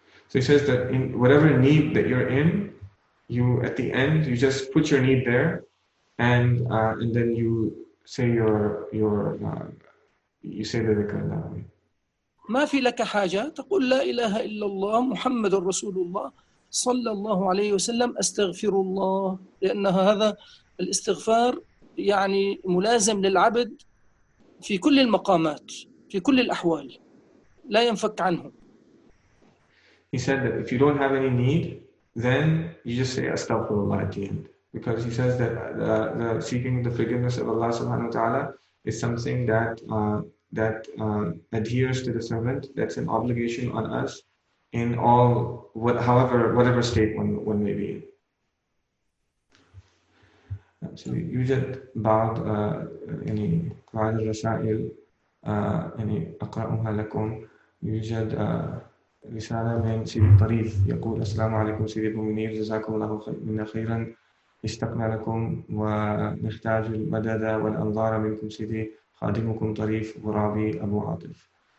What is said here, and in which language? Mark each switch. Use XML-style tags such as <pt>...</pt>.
<en>So he says that in whatever need that you're in, you at the end you just put your need there, and then you say you say the dhikr in that way.</en> <ar>ما في لك حاجة تقول لا إله إلا الله محمد رسول الله صلى الله عليه وسلم استغفر الله لان هذا الاستغفار يعني ملازم للعبد في كل المقامات في كل الاحوال لا ينفك عنه.</ar> <en>He said that if you don't have any need then you just say astaghfirullah at the end, because he says that the seeking the forgiveness of Allah subhanahu wa ta'ala is something that adheres to the servant, that's an obligation on us in all whatever state one may be in.</en> <ar>So يوجد بعض يعني بعض الرسائل يعني أقرأها لكم. يوجد رسالة من سيدي طريف يقول السلام عليكم سيدي أبو منير جزاكم الله منا خيرا اشتقنا لكم ونحتاج المدد والأنظار منكم سيدي خادمكم طريف غرابي أبو عاطف.</ar>